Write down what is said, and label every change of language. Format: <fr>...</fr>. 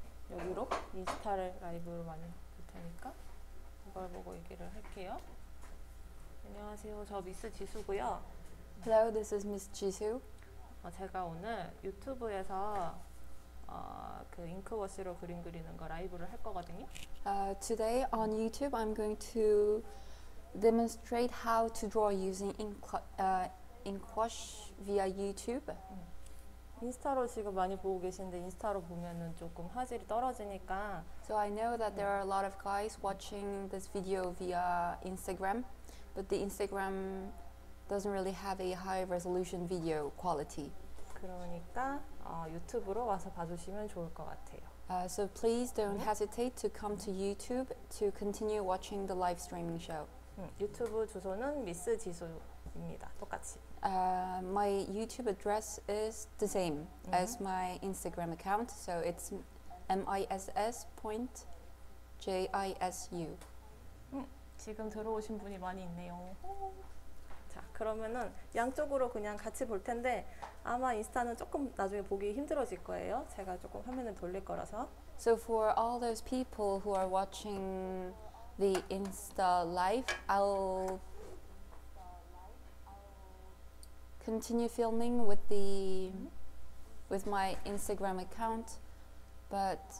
<ko>여기로 인스타를 라이브로 많이 볼 테니까 그걸 보고 얘기를 할게요. 안녕하세요. 저 미스 지수고요.</ko> <en>Hello, this is Miss Jisu.</en> <ko>제가 오늘 유튜브에서 그 인크워시로 그림 그리는 거 라이브를 할 거거든요.</ko> <en>Today on YouTube, I'm going to demonstrate how to draw using inkwash via YouTube.</en> <ko>인스타로 지금 많이 보고 계신데 인스타로 보면은 조금 화질이 떨어지니까</ko> <en>So I know that there are a lot of guys watching this video via Instagram but the Instagram doesn't really have a high resolution video quality</en> <ko>그러니까 유튜브로 와서 봐주시면 좋을 것 같아요</ko> <en>So please don't hesitate to come to YouTube to continue watching the live streaming show</en> <ko>유튜브 주소는 미스 지수입니다 똑같이</ko> <en>My YouTube address is the same as my Instagram account, so it's miss.jisu.</en> <ko>지금 들어오신 분이 많이 있네요. 자, 그러면은 양쪽으로 그냥 같이 볼 텐데 아마 인스타는 조금 나중에 보기 힘들어질 거예요. 제가 조금 화면을 돌릴 거라서.</ko> <en>So for all those people who are watching the Insta live, I'll continue filming with the with my Instagram account, but</en>